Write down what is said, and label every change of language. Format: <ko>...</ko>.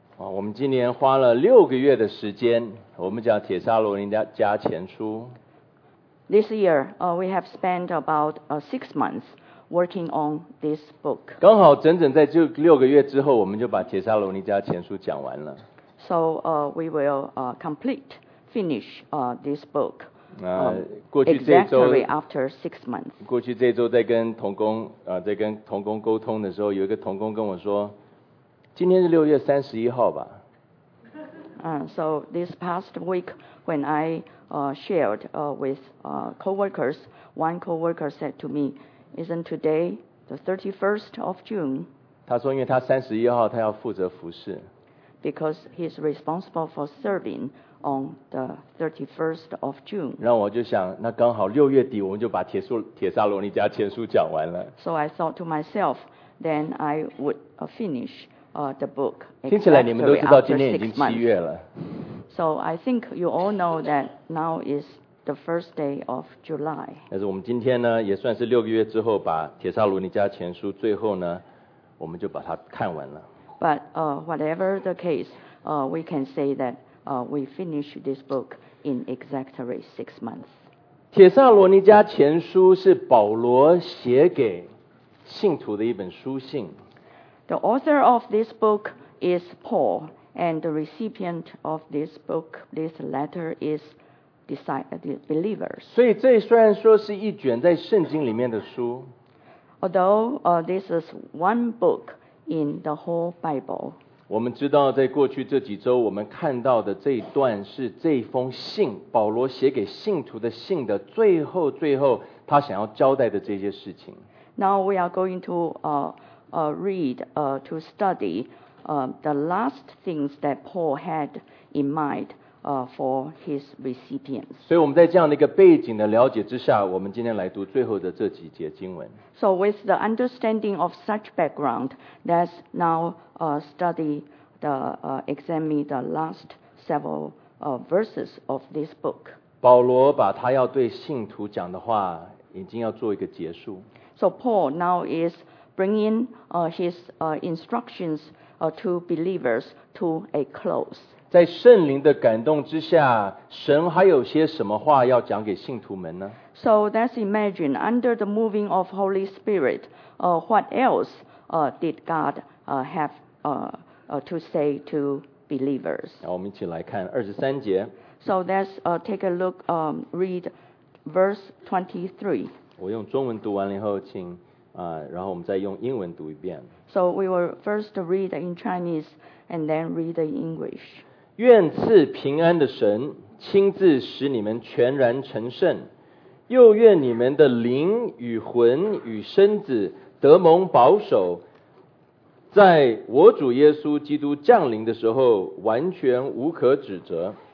<zh>我们今年花了六个月的时间，我们讲帖撒罗尼迦前书。</zh> <en>This year, we have spent about 6 months working on this book.</en> <zh>刚好整整在这六个月之后，我们就把帖撒罗尼迦前书讲完了。</zh> <en>So we will finish this book.</en> <zh>过去这周</zh> <en>exactly after 6 months.</en> <zh>过去这周在跟同工在跟同工沟通的时候，有一个同工跟我说，今天是6月31号吧。</zh> <en>So this past week when I shared with coworkers, one coworker said to me, "Isn't today the 31st of June?"</en> <zh>他说，因为他31号他要负责服侍。</zh> <en>Because he's responsible for serving on the 31st of June.</en> <zh>然后我就想，那刚好六月底我们就把帖撒罗尼迦前书讲完了。</zh> <en>So I thought to myself, then I would finish the book.</en> <zh>听起来你们都知道今天已经七月了。</zh> <en>So I think you all know that now is the first day of July.</en> <zh>但是我们今天呢，也算是六个月之后把帖撒罗尼迦前书最后呢，我们就把它看完了。</zh> <en>But whatever the case, we can say that we finished this book in exactly 6 months.</en> <zh>帖撒罗尼迦前书是保罗写给信徒的一本书信。</zh> <en>The author of this book is Paul, and the recipient of this book, this letter is believers.</en> <zh>所以这虽然说是一卷在圣经里面的书。</zh> <en>Although this is one book,In the whole Bible.</en> <zh>我们知道在过去这几周我们看到的这一段是这封信保罗写给信徒的信的最后最后他想要交代的这些事情。</zh> <en>Now we are going to to study the last things that Paul had in mind for his recipients.</en> <zh>所以我们在这样的一个背景的了解之下，我们今天来读最后的这几节经文。</zh> <en>So with the understanding of such background, let's now study the examine the last several verses of this book.</en> <zh>保罗把他要对信徒讲的话已经要做一个结束。</zh> <en>So Paul now is bringing his instructions to believers to a close.</en> <zh>在圣灵的感动之下，神还有些什么话要讲给信徒们呢？</zh> <en>So let's imagine under the moving of Holy Spirit, what else did God have to say to believers?</en> <zh>我们一起来看23节。</zh> <en>So let's take a look, read verse 23.</en> <zh>我用中文读完了以后，请然后我们再用英文读一遍。</zh> <en>So we will first read in Chinese and then read in English.</en> <zh>愿赐平安的神亲自使你们全然成圣，又愿你们的灵与魂与身子得蒙保守，在我主耶稣基督降临的时候完全无可指责。</zh>